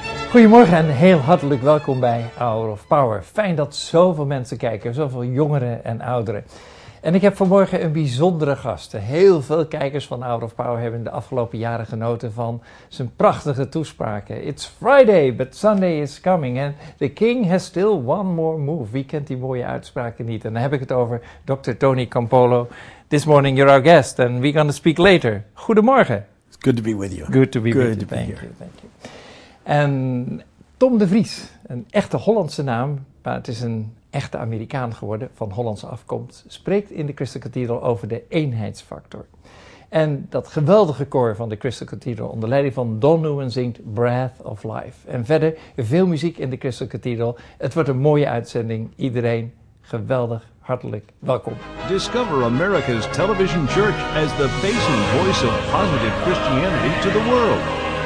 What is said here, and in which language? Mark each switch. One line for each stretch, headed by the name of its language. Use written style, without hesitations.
Dutch: Goedemorgen en heel hartelijk welkom bij Hour of Power. Fijn dat zoveel mensen kijken, zoveel jongeren en ouderen. En ik heb vanmorgen een bijzondere gast. Heel veel kijkers van Hour of Power hebben in de afgelopen jaren genoten van zijn prachtige toespraken.
English: It's Friday, but Sunday is coming. And the king has still one more move.
Dutch: Wie kent die mooie uitspraken niet? En dan heb ik het over Dr. Tony Campolo.
English: This morning you're our guest and we're going to speak later.
Dutch: Goedemorgen.
English: It's good to be with you. Good to be here. Thank you.
Dutch: En Tom de Vries, een echte Hollandse naam, maar het is een echte Amerikaan geworden van Hollandse afkomst, spreekt in de Crystal Cathedral over de eenheidsfactor. En dat geweldige koor van de Crystal Cathedral onder leiding van Don Newman zingt Breath of Life. En verder veel muziek in de Crystal Cathedral. Het wordt een mooie uitzending. Iedereen geweldig. Hartelijk welkom.
English: Discover America's Television Church as the face and voice of positive Christianity to the world.